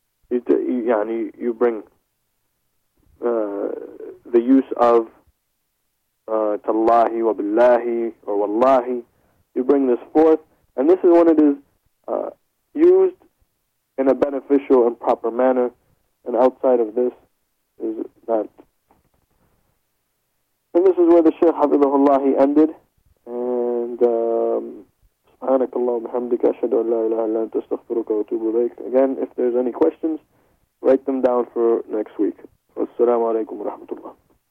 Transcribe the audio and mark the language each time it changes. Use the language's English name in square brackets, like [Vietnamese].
[English] You bring the use of tallahi wa billahi or wallahi. You bring this forth, and this is when it is used in a beneficial and proper manner. And outside of this is that. And this is where the Shaykh Hafidhullah ended. And [Arabic] سبحانك اللهم وبحمدك أشهد أن لا إله إلا أنت أستغفرك وأتوب إليك. [English] Again, if there's any questions, write them down for next week. [Arabic] والسلام عليكم ورحمة الله.